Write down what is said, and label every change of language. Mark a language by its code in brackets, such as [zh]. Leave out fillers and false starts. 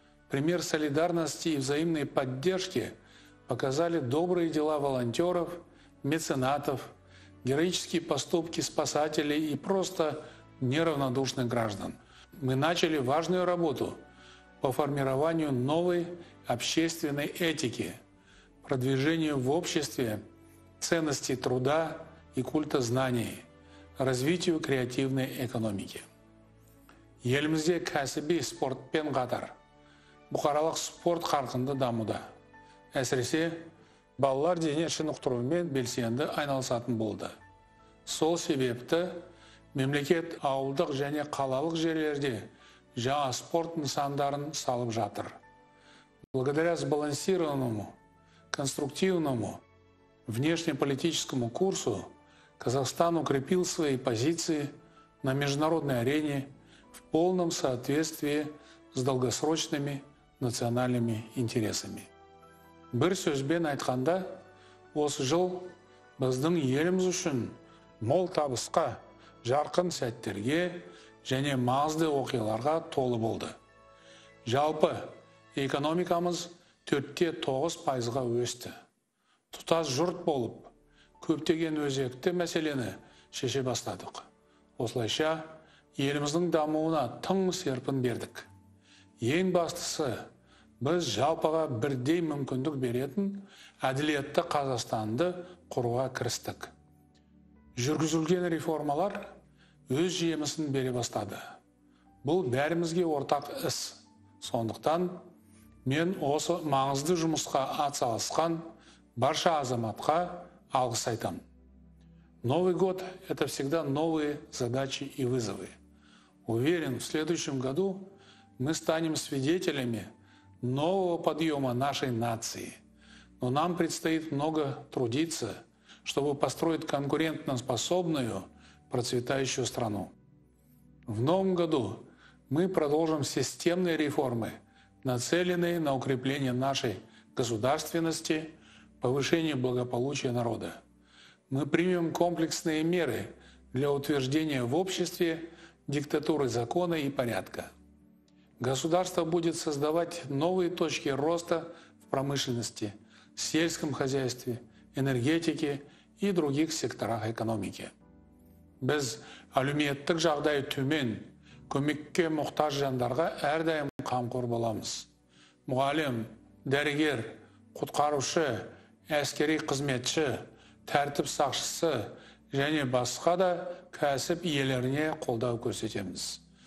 [ru] Пример солидарности и взаимной поддержки показали добрые дела волонтеров, меценатов, героические поступки спасателей и просто неравнодушных граждан. Мы начали важную работу по формированию новой общественной этики, продвижению в обществе ценности труда и культа знаний, развитию креативной экономики. [kk] Елімізде кәсіби спортпен қатар бұқаралық спорт қарқынды дамуда. Әсіресе балалар дене шынықтырумен белсенді айналысатын болды. Сол себепті мемлекет ауылдық және қалалық жерлерде жаңа спорт нысандарын салып жатыр. [ru] Благодаря сбалансированному, конструктивному внешнеполитическому курсу Казахстан укрепил свои позиции на международной арене в полном соответствии с долгосрочными национальными интересами. [kk] Бір сөзбен айтқанда, осы жыл біздің еліміз үшін мол табысқа, жарқын сәттерге және маңызды оқиғаларға толы болды. Жалпы экономикамыз 4.9%-ға өсті. Тұтас жұрт болып, көптеген өзекті мәселені шеше бастадық. Осылайша, еліміздің дамуына тың серпін бердік. Ең бастысы, біз жалпыға бірдей мүмкіндік беретін әділетті Қазақстанды құруға кірістік. Жүргізілген реформалар өз жемісін бере бастады. Бұл бәрімізге ортақ іс. Сондықтан, мен осы маңызды жұмысқа атсалысқан барша азаматқа алғыс айтам. [ru] Новый год – это всегда новые задачи и вызовы. Уверен, в следующем году мы станем свидетелями нового подъема нашей нации. Но нам предстоит много трудиться, чтобы построить конкурентоспособную, процветающую страну. В новом году мы продолжим системные реформы, нацеленные на укрепление нашей государственности, повышение благополучия народа. Мы примем комплексные меры для утверждения в обществе диктатуры закона и порядка. Государство будет создавать новые точки роста в промышленности, сельском хозяйстве, энергетике и других секторах экономики. [kk] Біз әлеуметтік жағдайы төмен, көмекке мұқтаж жандарға әрдайым қамқор боламыз. Мұғалім, дәрігер, құтқарушы, әскери қызметші, тәртіп сақшысы және басқа да кәсіп иелеріне қолдау көрсетеміз.